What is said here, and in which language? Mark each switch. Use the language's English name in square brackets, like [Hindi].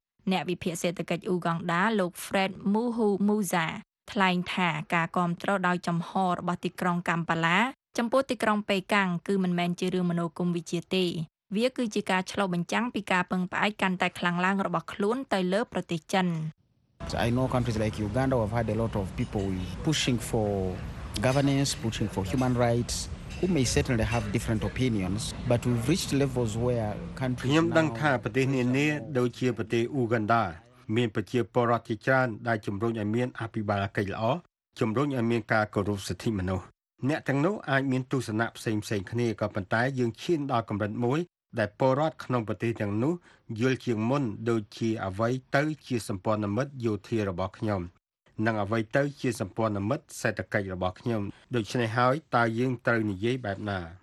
[Khmer] អ្នកវិភាគសេដ្ឋកិច្ចអ៊ូកង់ដាលោក Fred Muhu Musa ថ្លែងថាការគាំទ្រដោយចំហរបស់ទីក្រុងកម្ពាឡាចំពោះទីក្រុងប៉េកាំងគឺមិនមែនជារឿងមនោគមវិជ្ជាទេវាគឺជាការឆ្លុះបញ្ចាំងពីការពឹងផ្អែកកាន់តែខ្លាំងឡើងរបស់ខ្លួនទៅលើប្រទេសចិន [English] So I know countries like Uganda have had a lot of people pushing for governance, pushing for human rights, who may certainly have different opinions, but we've reached levels where countries [Khmer] ខ្ញុំដឹងថាប្រទេសនានាដូចជាប្រទេសអូហ្គង់ដាមានប្រជាពលរដ្ឋជាច្រើនដែលជំរុញឲ្យមានអភិបាលកិច្ចល្អជំរុញឲ្យមានការគោរពសិទ្ធិមនុស្សអ្នកទាំងនោះអាចមានទស្សនៈផ្សេងផ្សេងគ្នាក៏ប៉ុន្តែយើងឈានដល់កម្រិតមួយដែលពលរដ្ឋក្នុងប្រទេសទាំងនោះយល់ជាងមុនដូចជាអ្វីទៅជាសម្ព័ន្ធមិត្តយោធារបស់ខ្ញុំនិងអ្វីទៅជាសម្ព័ន្ធមិត្តសេដ្ឋកិច្ចរបស់ខ្ញុំដូច្នេះហើយតើយើងត្រូវនិយាយបែបណា